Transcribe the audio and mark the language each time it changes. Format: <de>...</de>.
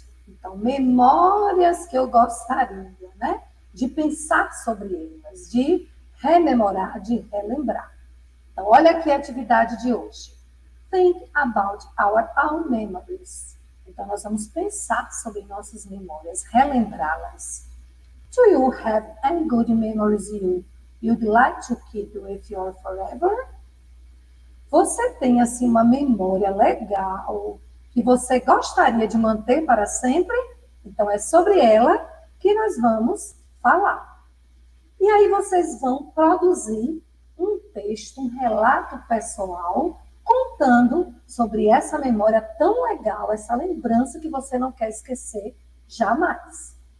<pt>Então, memórias que eu gostaria, né? De pensar sobre elas, de rememorar, de relembrar. Então, olha aqui a atividade de hoje.</pt> <en>Think about our own memories.</en> <pt>Então, nós vamos pensar sobre nossas memórias, relembrá-las.</pt> <en>Do you have any good memories you'd like to keep with you forever?</en> <pt>Você tem, assim, uma memória legal que você gostaria de manter para sempre? Então, é sobre ela que nós vamos falar. E aí, vocês vão produzir um texto, um relato pessoal, contando sobre essa memória tão legal, essa lembrança que você não quer esquecer jamais.</pt>